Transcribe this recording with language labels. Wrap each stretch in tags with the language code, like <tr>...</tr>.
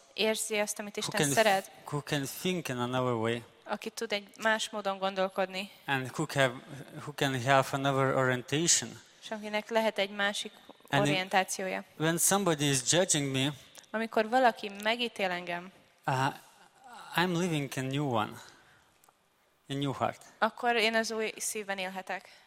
<hu>Érzi azt, amit Isten szeret.</hu> <en>Who can think in another way.</en> <hu>Aki tud egy más módon gondolkodni.</hu> <en>And who can have another orientation.</en> <hu>Akinek lehet egy másik orientációja.</hu> <en>When somebody is judging me,</en> <hu>amikor valaki megítél engem,</hu> <en>I'm living a new one, a new heart.</en> <hu>Akkor én az új szívben élhetek.</hu>